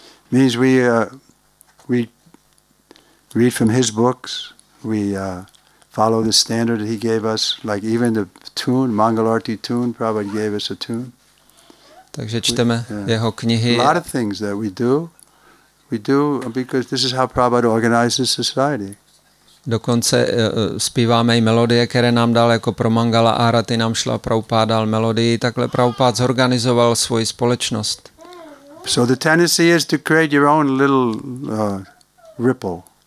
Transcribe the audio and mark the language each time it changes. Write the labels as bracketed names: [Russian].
[English] Means we read from his books, we follow the standard that he gave us, like even the tune, Mangalarti tune, Prabhupada gave us a tune. [Czech] Takže čteme jeho knihy. [English] A lot of things that we do because this is how Prabhupada organizes society. [Czech] Dokonce zpíváme i melodie, které nám dal jako pro Mangala Arati, nám šla Prabhupada dal melodii, takhle Prabhupada zorganizoval svoji společnost. [English] So the tendency is to create your own little ripple.